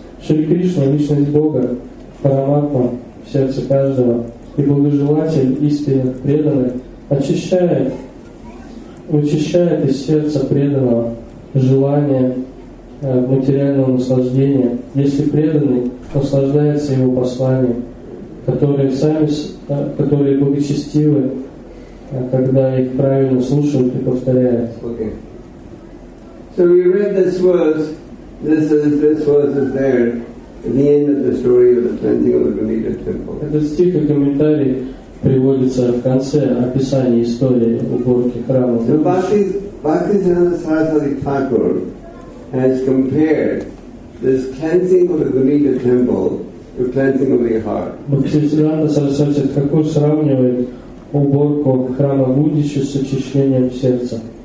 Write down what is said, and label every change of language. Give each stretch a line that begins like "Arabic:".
Russian: Шри Кришна, Личность Бога, Параматма в сердце каждого и благожелатель истинных преданных, вычищает из сердца преданного желание материального наслаждения, если преданный наслаждается его посланием, которые благочестивы, когда их правильно слушают и повторяют.
English: Okay. So we read this verse. This verse is there at the end of the story of the cleansing of the Gaudiya temple.
Russian: Этот стих и комментарий приводится в конце описания истории уборки храма.
English: So Bhaktisiddhanta Saraswati Thakur has compared this cleansing of the Gaudiya temple to cleansing of the heart.
Russian: Bhaktisiddhanta Saraswati Thakur сравнивает уборку храма Гудича с очищением сердца.